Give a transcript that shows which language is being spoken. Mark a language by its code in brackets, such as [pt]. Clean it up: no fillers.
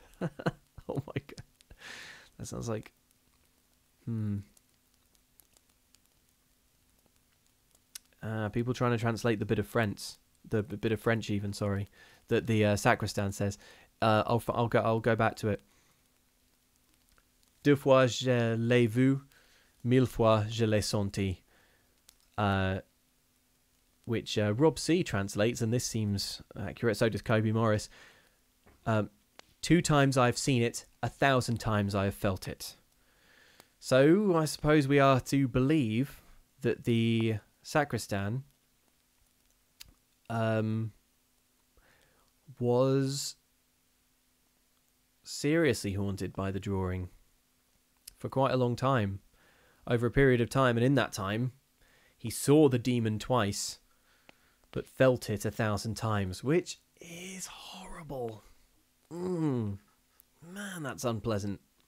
[en] Oh my god. That sounds like... people trying to translate the bit of French that the sacristan says. I'll go back to it. [fr] Deux fois je l'ai vu, mille fois je l'ai senti. [en] Which Rob C translates, and this seems accurate. So does Kobe Morris. Two times I've seen it, 1,000 times I have felt it. So I suppose we are to believe that the sacristan was seriously haunted by the drawing for quite a long time, over a period of time, and in that time he saw the demon twice but felt it 1,000 times, which is horrible. Man, that's unpleasant.